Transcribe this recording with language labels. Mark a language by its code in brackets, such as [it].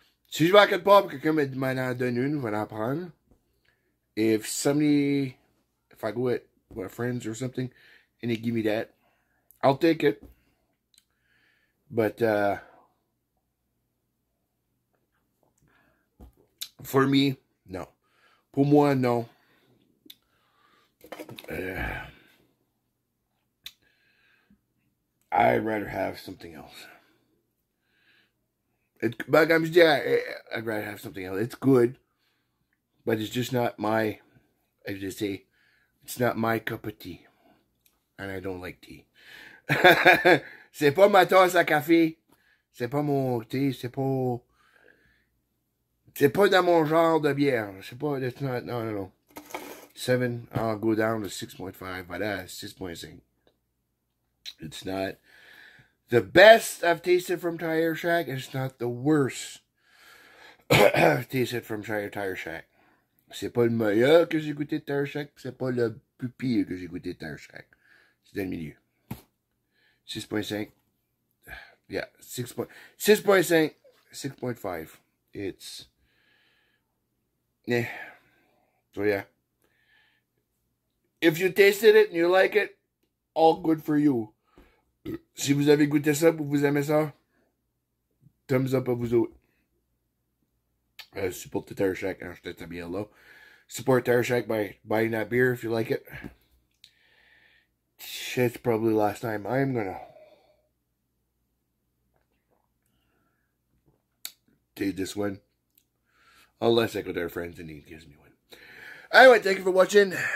[fr] Si je vais à quelque part, quelqu'un me demande à donner une, je vais en prendre. [en] If I go with my friends or something, and they give me that, I'll take it. But for me, no. [fr] Pour moi, no. [en] I'd rather have something else. I'd rather have something else. It's good, but it's just not my, as you say, it's not my cup of tea. And I don't like tea. [fr] C'est pas ma tasse à café. C'est pas mon thé. C'est pas dans mon genre de bière. C'est pas, [en] it's not, no, no, no. 7, I'll go down to 6.5, but that's 6.6. It's not the best I've tasted from Tire Shack. It's not the worst I've tasted from Tire Shack. [fr] C'est pas le meilleur que j'ai goûté de Tire Shack. C'est pas le plus pire que j'ai goûté de Tire Shack. C'est dans le milieu. [en] 6.5. Yeah, 6.5. It's... Yeah. So, yeah. If you tasted it and you like it, all good for you. [fr] Si vous avez goûté ça, vous aimez ça, [en] thumbs up [fr] à vous autres. [en] Support the Tire Shack. [fr] Acheter ta bière là. [en] Support Tire Shack by buying that beer if you like it. Shit's probably last time. I am going to take this one. Unless I go to our friends and he gives me one. Anyway, thank you for watching.